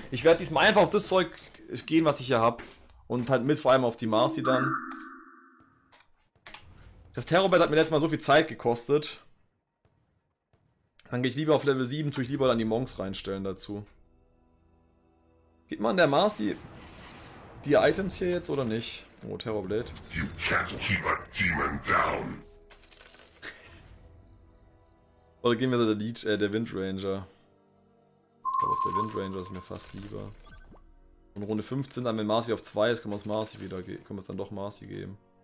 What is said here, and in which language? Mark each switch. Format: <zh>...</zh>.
<de>Ich werde diesmal einfach auf das Zeug gehen, was ich hier habe. Und halt mit vor allem auf die Marcy dann. Das Terrorbett hat mir letztes Mal so viel Zeit gekostet. Dann gehe ich lieber auf Level 7, tue ich lieber dann die Monks reinstellen dazu. Gibt man der Marcy die Items hier jetzt oder nicht? Oh, Terrorblade.</de> <en>You can't keep a demon down.</en> <de>Oder gehen wir zu der Windranger. Ich glaube, auf der Windranger ist mir fast lieber. Und Runde 15, dann wenn Marcy auf 2 ist, können wir es dann doch Marcy geben.</de>